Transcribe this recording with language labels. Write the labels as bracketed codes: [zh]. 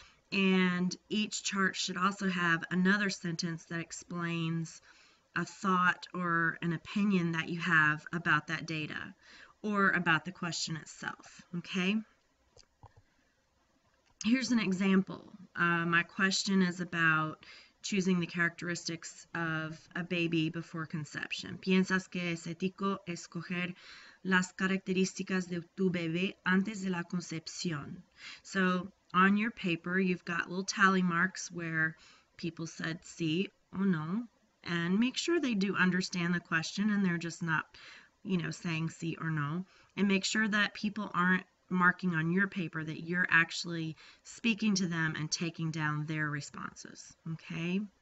[en] And each chart should also have another sentence that explains a thought or an opinion that you have about that data or about the question itself. Okay? Here's an example. My question is about choosing the characteristics of a baby before conception. [es] ¿Piensas que es ético escoger las características de tu bebé antes de la concepción? [en] So, on your paper, you've got little tally marks where people said sí or no, and make sure they do understand the question and they're just not, saying sí or no. And make sure that people aren't marking on your paper that you're actually speaking to them and taking down their responses. Okay?